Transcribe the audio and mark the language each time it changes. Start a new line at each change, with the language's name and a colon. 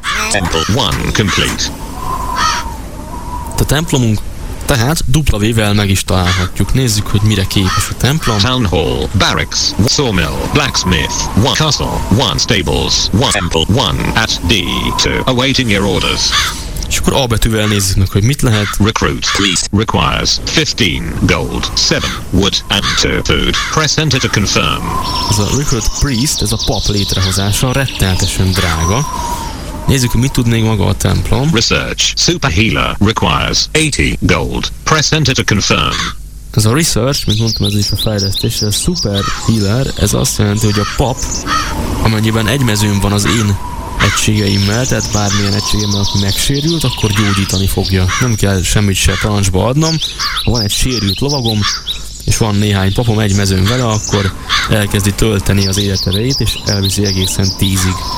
English: Temple 1 complete.
Hungarian: A templomunk tehát W-vel meg is találhatjuk. Nézzük, hogy mire képes a templom.
English: Town hall, barracks, sawmill, blacksmith, one castle, one stables, one temple, one at D2, awaiting your orders.
Hungarian: És akkor A betűvel nézzük meg, hogy mit lehet.
English: Recruit, please, requires 15 gold, 7 wood and 2 food. Press enter to confirm.
Hungarian: Ez a recruit priest, ez a pap létrehozása retteltesen drága. Nézzük, hogy mit tud még maga a templom.
English: Research, super healer, requires 80 gold. Press enter to confirm.
Hungarian: Ez a research, mint mondtam, ez is a fejlesztés, a super healer, ez azt jelenti, hogy a pap, amennyiben egy mezőn van az én egységeimmel, tehát bármilyen egységemmel, aki megsérült, akkor gyógyítani fogja. Nem kell semmit se parancsba adnom. Ha van egy sérült lovagom, és van néhány papom egy mezőn vele, akkor elkezdi tölteni az életerejét, és elviszi egészen 10-ig.